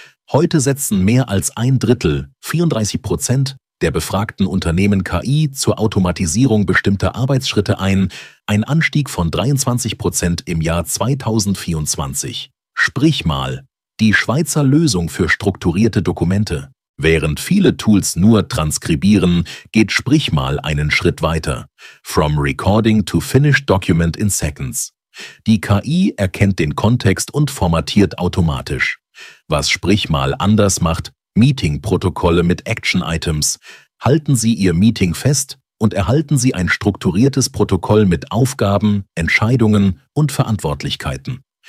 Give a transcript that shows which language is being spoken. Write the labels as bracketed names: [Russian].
[German] Heute setzen mehr als ein Drittel, 34%, der befragten Unternehmen KI zur Automatisierung bestimmter Arbeitsschritte ein, ein Anstieg von 23% im Jahr 2024. Sprich mal, die Schweizer Lösung für strukturierte Dokumente. Während viele Tools nur transkribieren, geht Sprich mal einen Schritt weiter. [English] From recording to finished document in seconds. [German] Die KI erkennt den Kontext und formatiert automatisch. Was Sprich mal anders macht: Meeting-Protokolle mit Action-Items. Halten Sie Ihr Meeting fest und erhalten Sie ein strukturiertes Protokoll mit Aufgaben, Entscheidungen und Verantwortlichkeiten.